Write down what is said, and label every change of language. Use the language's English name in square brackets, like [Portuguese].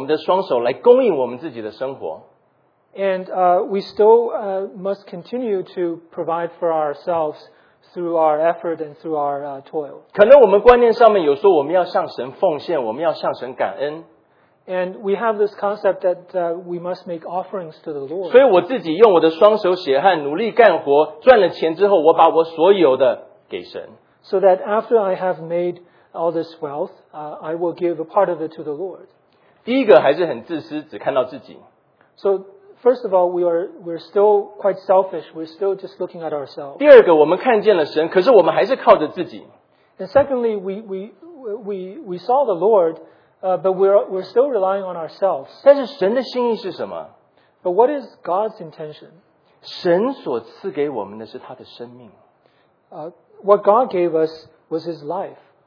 [Chinese] 我们的观念里面还是要靠着我们的双手来供应我们自己的生活, [English] and we still must continue to provide for ourselves through our effort and through our toil. [Chinese] 可能我们观念上面有说我们要向神奉献，我们要向神感恩, [English] and we have this concept that we must make offerings to the Lord. [Chinese] 所以我自己用我的双手血汗努力干活，赚了钱之后，我把我所有的给神。 [English] So that after I have made all this wealth, I will give a part of it to the Lord. [Chinese] 第一个还是很自私，只看到自己。 [English] So first of all, we're still quite selfish. We're still just looking at ourselves. [Chinese] 第二个，我们看见了神，可是我们还是靠着自己。 [English] And secondly, we saw the Lord, but we're still relying on ourselves. [Chinese] 但是神的心意是什么？ [English] But what is God's intention? [Chinese] 神所赐给我们的是他的生命。 [English] What God gave us was His life.